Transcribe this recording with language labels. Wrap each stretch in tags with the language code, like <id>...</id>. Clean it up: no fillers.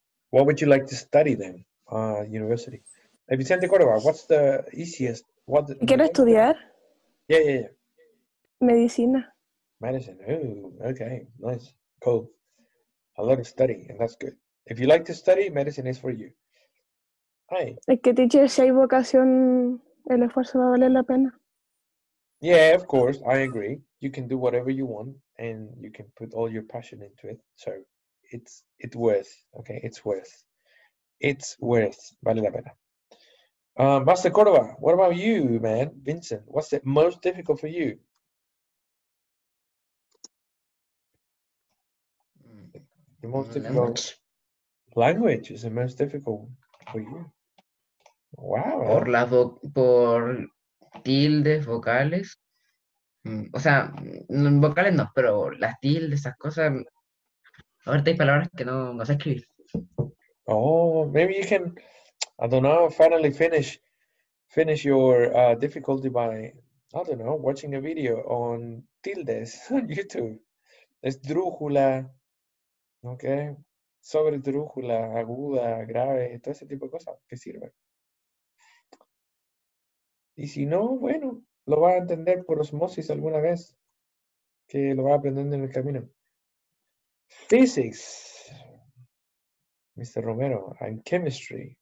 <en>What would you like to study then, university? Vicente Córdoba, what's the easiest?</en> <es>¿Quiero estudiar?</es> <en>Yeah.</en> <es>Medicina.</es> <en>Medicine, ooh, okay, nice, cool. I love to study, and that's good. If you like to study, medicine is for you. Hi.</en> <es>Es que, teacher, si hay vocación, el esfuerzo va a valer la pena.</es> <en>Yeah, of course, I agree. You can do whatever you want, and you can put all your passion into it. So it's worth, okay? It's worth.</en> <es>Vale la pena.</es> <en>Master Cordova, what about you, man? Vincent, what's the most difficult for you? The most difficult language is the most difficult for you. Wow.</en> <es>Por la por tildes, vocales. O sea, vocales no, pero las tildes, esas cosas. Ahorita hay palabras que no sé escribir.</es> <en>Oh, maybe you can, I don't know, finally finish your difficulty by, I don't know, watching a video on tildes on YouTube.</en> <es>Esdrújula, okay. Sobre esdrújula, aguda, grave, todo ese tipo de cosas que sirven. Y si no, bueno, lo va a entender por osmosis alguna vez, que lo va aprendiendo en el camino.</es> <en>Physics, Mr. Romero, and chemistry.</en>